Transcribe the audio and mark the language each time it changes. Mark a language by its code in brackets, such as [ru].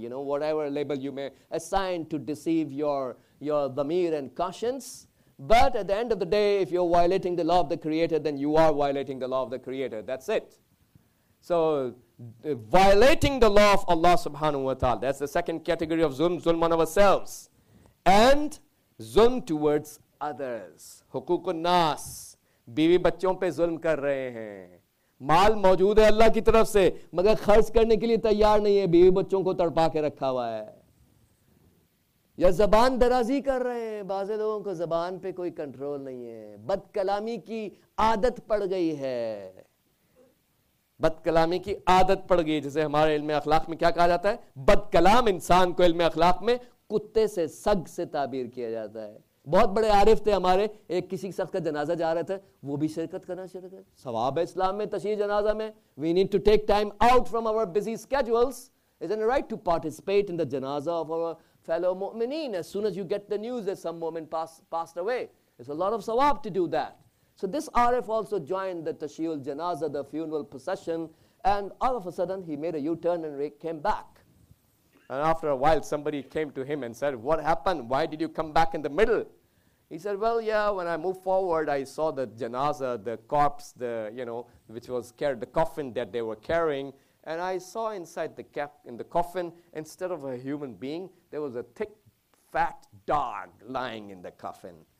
[en] You know, whatever label you may assign to deceive your dhamir and conscience. But at the end of the day, if you're violating the law of the Creator, then you are violating the law of the Creator. That's it. So, violating the law of Allah subhanahu wa ta'ala, that's the second category of zulm on ourselves. And zulm towards others. Hukukun nas. [ur] بیوی بچوں پہ ظلم کر رہے ہیں, مال موجود ہے اللہ کی طرف سے مگر خرچ کرنے کے لیے تیار نہیں ہے, بیوی بچوں کو تڑپا کے رکھا ہوا ہے, یا زبان درازی کر رہے ہیں, بعض لوگوں کو زبان پہ کوئی کنٹرول نہیں ہے, بد کلامی کی عادت پڑ گئی ہے, بد کلامی کی عادت پڑ گئی, جسے ہمارے علم اخلاق میں کیا کہا جاتا ہے, بد کلام انسان کو علم اخلاق میں کتے سے سگ سے تعبیر کیا جاتا ہے. بہت بڑے عارف تھے ہمارے, ایک کسی شخص کا جنازہ جا رہا تھا, وہ بھی شرکت کرنا شروع کر, ثواب ہے اسلام میں تشییع جنازہ میں, [en] We need to take time out from our busy schedules, it is right to participate in the جنازہ of our fellow مومنین, as soon as you get the news that some مومن passed away, it's a lot of ثواب to do that. So this RF also joined the tashiyul janaza, the funeral procession, and all of a sudden he made a U-turn and came back. And after a while somebody came to him and said, what happened? Why did you come back in the middle? He said, well, yeah, when I moved forward, I saw the janaza, the corpse, the, you know, which was carried, the coffin that they were carrying, and I saw inside the cap in the coffin, instead of a human being, there was a thick, fat dog lying in the coffin.